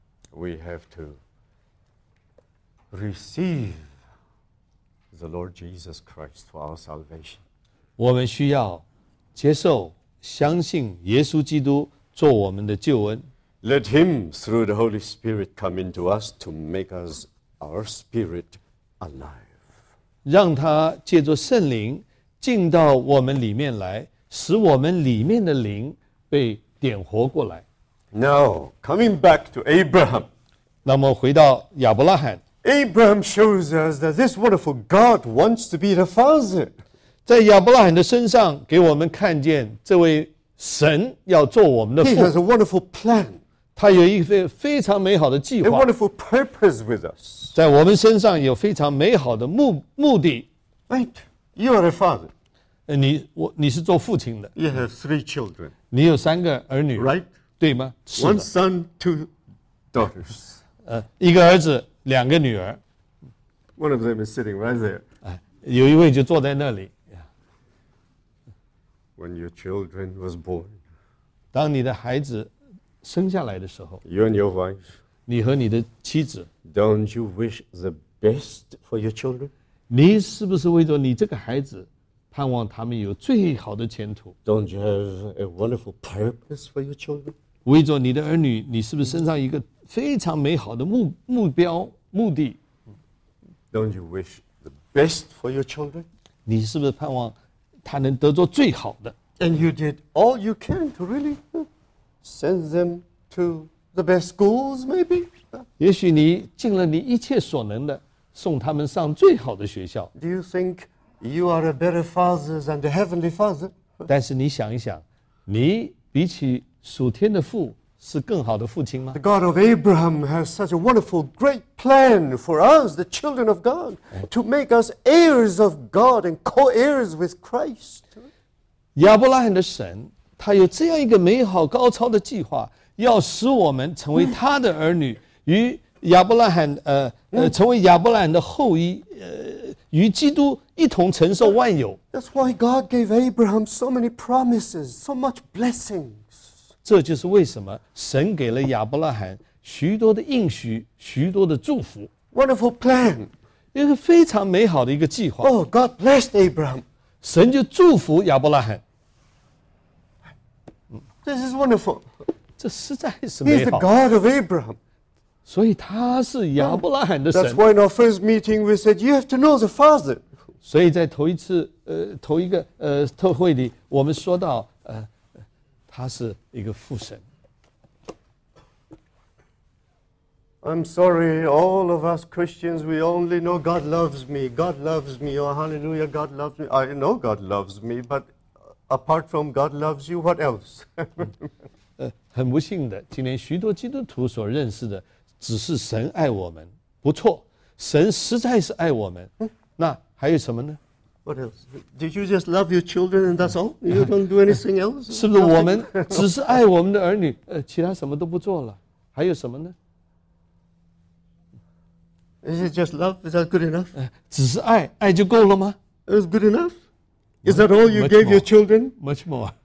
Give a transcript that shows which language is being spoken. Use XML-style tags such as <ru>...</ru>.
<en>We have to receive the Lord Jesus Christ for our salvation.</en> <zh>我们需要接受相信耶稣基督做我们的救恩。</zh> <en>Let him through the Holy Spirit come into us to make us our spirit alive.</en> <zh>让他借着圣灵进到我们里面来，使我们里面的灵被点活过来。</zh> <en>Now, coming back to Abraham.</en> <zh>那么回到亚伯拉罕。</zh> <en>Abraham shows us that this wonderful God wants to be the father.</en> <zh>在亚伯拉罕的身上给我们看见这位神要做我们的父。</zh> <en>He has a wonderful plan.</en> <zh>他有一个非常美好的计划。</zh> <en>A wonderful purpose with us.</en> <zh>在我们身上有非常美好的目的。</zh> <en>Right, you are a father.</en> <zh>你是做父亲的。</zh> <en>You have three children.</en> <zh>你有三个儿女。</zh> <en>Right?</en> <zh>对吗？是的。</zh> <en>One son, two daughters.</en> <zh>一个儿子，两个女儿。</zh> <en>One of them is sitting right there.</en> <zh>有一位就坐在那里。</zh> <en>When your children was born,</en> <zh>当你的孩子生下来的时候</zh> <en>，You and your wife,</en> <zh>你和你的妻子</zh> <en>，Don't you wish the best for your children?</en> <zh>你是不是为着你这个孩子，盼望他们有最好的前途</zh> <en>？Don't you have a wonderful purpose for your children?</en> <zh>为着你的儿女，你是不是身上一个非常美好的目标目的</zh> <en>？Don't you wish the best for your children?</en> <zh>你是不是盼望？他能得着最好的。</zh> <en>And you did all you can to really send them to the best schools, maybe.</en> <zh>也许你尽了你一切所能的，送他们上最好的学校。</zh> <en>Do you think you are a better father than the heavenly father?</en> <zh>但是你想一想，你比起属天的父是更好的父亲吗</zh> <en>？The God of Abraham has such a wonderful, great plan for us, the children of God, to make us heirs of God and co-heirs with Christ.</en> <zh>亚伯拉罕的神，他有这样一个美好高超的计划，要使我们成为他的儿女，与亚伯拉罕成为亚伯拉罕的后裔，与基督一同承受万有。</zh> <en>That's why God gave Abraham so many promises, so much blessing.</en> <zh>这就是为什么神给了亚伯拉罕许多的应许，许多的祝福。</zh> <en>Wonderful plan，</en> <zh>一个非常美好的一个计划。</zh> <en>Oh, God blessed Abraham，</en> <zh>神就祝福亚伯拉罕。</zh> <en>This is wonderful，</en> <zh>这实在是美好。</zh> <en>He's the God of Abraham，</en> <zh>所以他是亚伯拉罕的神。</zh> <en>That's why in our first meeting we said you have to know the Father。</en> <zh>所以在头一次头一个特会里，我们说到他是一个父神。</zh> <en>I'm sorry, all of us Christians, we only know God loves me, God loves me, oh hallelujah, God loves me. I know God loves me, but apart from God loves you, what else?</en> <zh>很不幸的，今天许多基督徒所认识的只是神爱我们，不错，神实在是爱我们。那还有什么呢？</zh> <en>What else? Did you just love your children and that's all? You don't do anything else?</en> <zh>是不是我们只是爱我们的儿女，其他什么都不做了？还有什么呢？</zh> <en>Is it just love? Is that good enough?</en> <zh>只是爱，爱就够了吗？</zh> <en>Is good enough? Is that all you gave your children? Much more.</en>